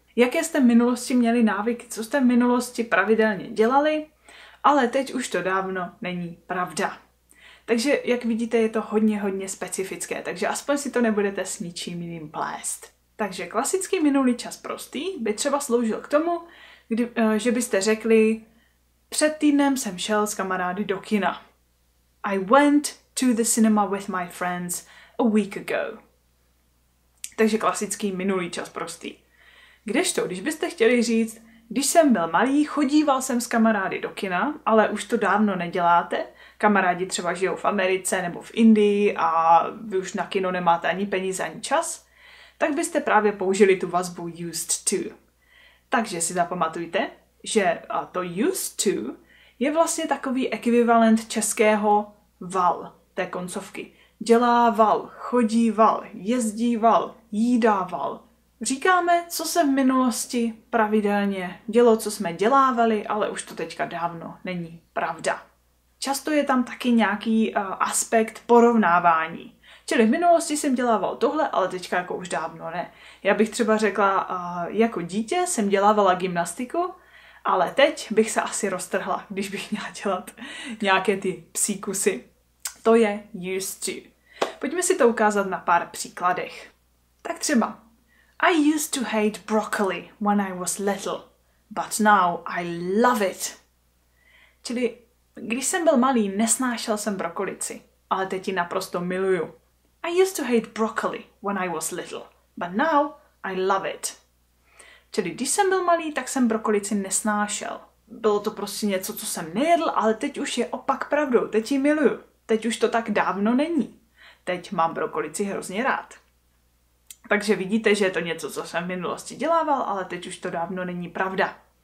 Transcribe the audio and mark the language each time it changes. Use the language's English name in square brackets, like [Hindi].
[Czech] Jaké jste v minulosti měli návyky, co jste v minulosti pravidelně dělali, ale teď už to dávno není pravda. Takže, jak vidíte, je to hodně, hodně specifické, takže aspoň si to nebudete s ničím jiným plést. Takže klasický minulý čas prostý by třeba sloužil k tomu, že byste řekli, před týdnem jsem šel s kamarády do kina. [English] I went to the cinema with my friends a week ago. [Czech] Takže klasický minulý čas prostý. Kdežto, když byste chtěli říct, když jsem byl malý, chodíval jsem s kamarády do kina, ale už to dávno neděláte, kamarádi třeba žijou v Americe nebo v Indii a vy už na kino nemáte ani peníze, ani čas, tak byste právě použili tu vazbu used to. Takže si zapamatujte, že to used to je vlastně takový ekvivalent českého val, té koncovky. Dělával, chodíval, jezdíval, jídával. Říkáme, co se v minulosti pravidelně dělo, co jsme dělávali, ale už to teďka dávno není pravda. Často je tam taky nějaký aspekt porovnávání. Čili v minulosti jsem dělával tohle, ale teďka jako už dávno ne. Já bych třeba řekla, jako dítě jsem dělávala gymnastiku, ale teď bych se asi roztrhla, když bych měla dělat nějaké ty psí kusy. To je used to. Pojďme si to ukázat na pár příkladech. Tak třeba. [English] I used to hate broccoli when I was little, but now I love it. [Czech] Čili, když jsem byl malý, nesnášel jsem brokolici, ale teď ji naprosto miluju. [English] I used to hate broccoli when I was little, but now I love it. [Czech] Čili když jsem byl malý, tak jsem brokolici nesnášel. Bylo to prostě něco, co jsem nejedl, ale teď už je opak pravdou. Teď ji miluju. Teď už to tak dávno není. Teď mám brokolici hrozně rád. Takže vidíte, že je to něco, co jsem v minulosti dělával, ale teď už to dávno není pravda.